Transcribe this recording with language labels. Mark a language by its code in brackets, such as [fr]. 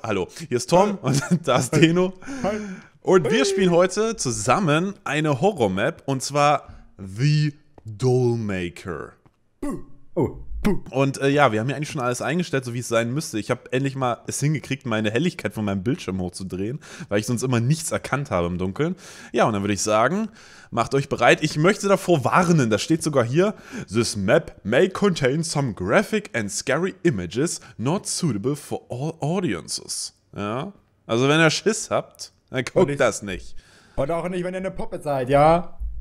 [de] Hallo, hier ist Tom und da ist Deno. Und wir spielen heute zusammen eine Horror-Map und zwar The Dollmaker. Und wir haben ja eigentlich schon alles eingestellt, so wie es sein müsste. Ich habe endlich mal es hingekriegt, meine Helligkeit von meinem Bildschirm hochzudrehen, weil ich sonst immer nichts erkannt habe im Dunkeln. Ja, und dann würde ich sagen, macht euch bereit. Ich möchte davor warnen, das steht sogar hier. [en] This map may contain some graphic and scary images not suitable for all audiences. [de] Ja, also wenn ihr Schiss habt, dann guckt das nicht. Und auch nicht, wenn ihr eine Puppe seid, ja?